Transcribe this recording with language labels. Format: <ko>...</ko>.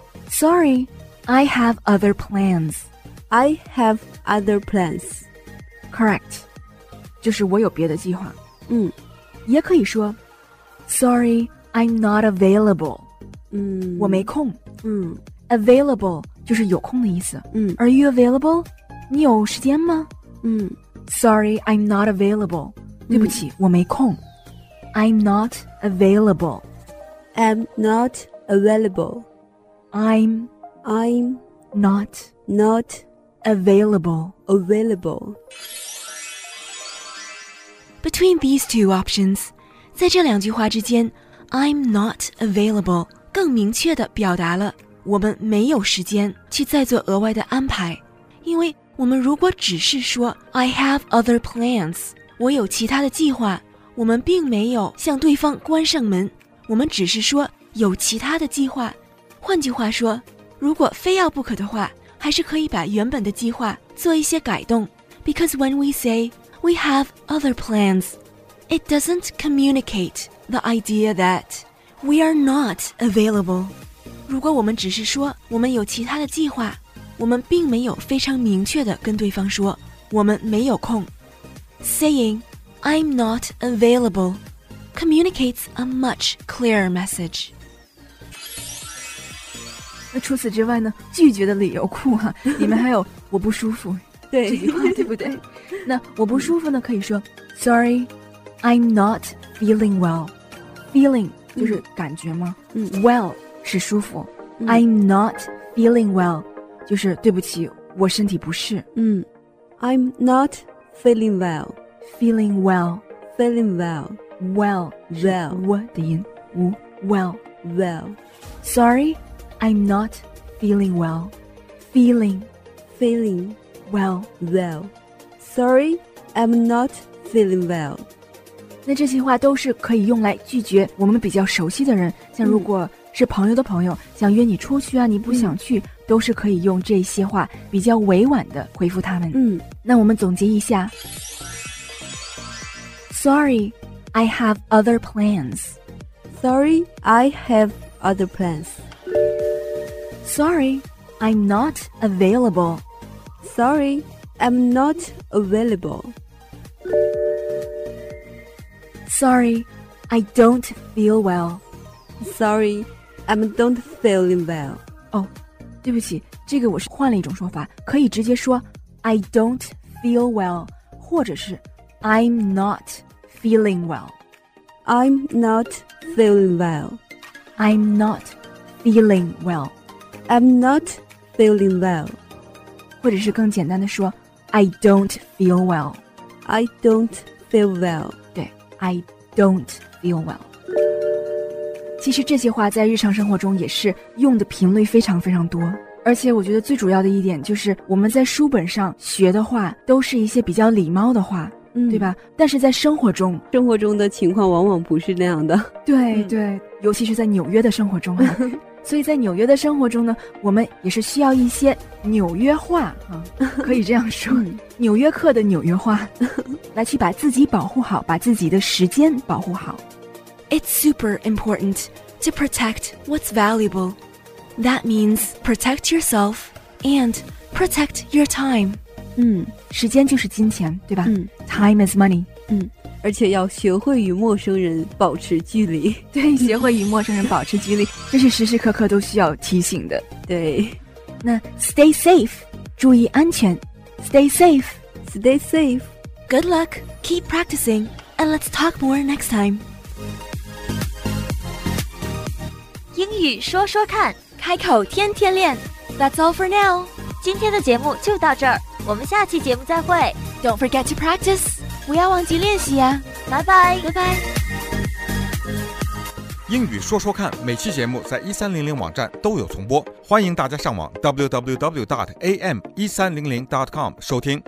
<en>Sorry, I have other plans. I have other plans. Correct.</en> <zh>就是我有别的计划。嗯。也可以说</zh> <en>Sorry, I'm not available. 嗯。</en> <zh>我没空。嗯。 Available 就是有空的意思。嗯。</zh> <en>Are you available?</en> <zh>你有时间吗？嗯</zh> <en>，Sorry, I'm not available.</en> <zh>对不起，我没空。</zh> <en>I'm not available. I'm not available. I'm not available. Available. Between these two options,</en> <zh>在这两句话之间 ，</zh> <en>I'm not available</en> <zh>更明确地表达了我们没有时间去再做额外的安排，因为。我们如果只是说</zh> <en>I have other plans</en> <zh>我有其他的计划，我们并没有向对方关上门，我们只是说有其他的计划。换句话说，如果非要不可的话，还是可以把原本的计划做一些改动。</zh> <en>Because when we say we have other plans, it doesn't communicate the idea that we are not available.</en> <zh>如果我们只是说我们有其他的计划，我们并没有非常明确地跟对方说我们没有空。</zh> <en>Saying I'm not available communicates a much clearer message.</en> <zh>那除此之外呢，拒绝的理由库哈，里面还有我不舒服这句话，对不对？那我不舒服呢，可以说</zh> <en>Sorry, I'm not feeling well.</en> <zh>Feeling 就是感觉吗？Well 是舒服。</zh> <en>I'm not feeling well</en> <zh>就是对不起，我身体不适。</zh> <en>I'm not feeling well. Feeling well. Feeling well. Well. Well.</en> <zh>我的音。Well.</zh> <en>Well. Sorry, I'm not feeling well. Feeling. Feeling. Well. Well. Sorry, I'm not feeling well.</en> <zh>那这些话都是可以用来拒绝我们比较熟悉的人，像如果是朋友的朋友，想约你出去啊，你不想去，都是可以用这些话比较委婉地回复他们。那我们总结一下</zh> <en>Sorry, I have other plans. Sorry, I have other plans. Sorry, I'm not available. Sorry, I'm not available. Sorry, I don't feel well. Sorry, I'm don't feeling well.</en> <zh>Oh,对不起，这个我是换了一种说法，可以直接说</zh> <en>I don't feel well</en> <zh>或者是</zh> <en>I'm not feeling well. I'm not feeling well. I'm not feeling well. I'm not feeling well.</en> <zh>或者是更简单的说</zh> <en>I don't feel well. I don't feel well.</en> <zh>对，</zh> <en>I don't feel well.</en> <zh>其实这些话在日常生活中也是用的频率非常非常多，而且我觉得最主要的一点就是我们在书本上学的话都是一些比较礼貌的话，对吧？但是在生活中的情况往往不是那样的。对对，尤其是在纽约的生活中啊，所以在纽约的生活中呢，我们也是需要一些纽约话啊，可以这样说，纽约客的纽约话，来去把自己保护好，把自己的时间保护好。</zh> <en>It's super important to protect what's valuable. That means protect yourself and protect your time.</en> <zh>嗯，时间就是金钱，对吧？嗯</zh> <en>，Time is money. 嗯。</en> <zh>而且要学会与陌生人保持距离，对，学会与陌生人保持距离，这是时时刻刻都需要提醒的。对，</zh> <en>那 stay safe，</en> <zh>注意安全</zh> <en>，stay safe， stay safe， good luck， keep practicing， and let's talk more next time。</en> <zh>英语说说看，开口天天练 ，</zh> <en>That's all for now。</en> <zh>今天的节目就到这儿，我们下期节目再会。</zh> <en>Don't forget to practice。</en> <zh>不要忘记练习呀，拜拜拜拜。英语说说看，每期节目在1300网站都有重播，欢迎大家上网 www.am1300.com 收听。</zh>